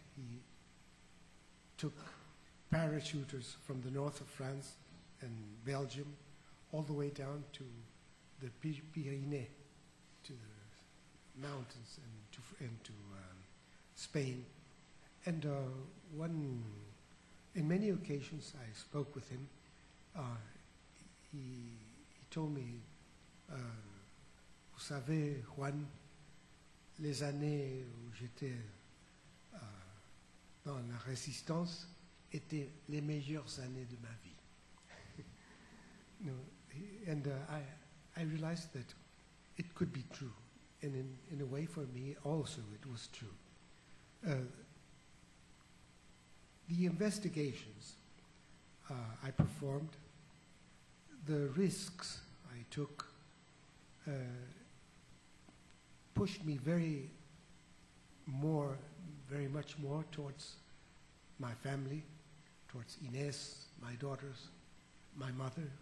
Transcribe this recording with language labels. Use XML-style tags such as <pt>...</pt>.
<en>He took parachuters from the north of France and Belgium all the way down to the Pyrenees, to the mountains and to Spain. And in many occasions I spoke with him. He told me,</en> <fr>"Vous savez, Juan, les années où j'étais dans la résistance étaient les meilleures années de ma vie."</fr> <en>No, and I realized that it could be true, and in a way for me also it was true. The investigations I performed, the risks I took, pushed me very much more towards my family, towards Ines, my daughters, my mother.</en>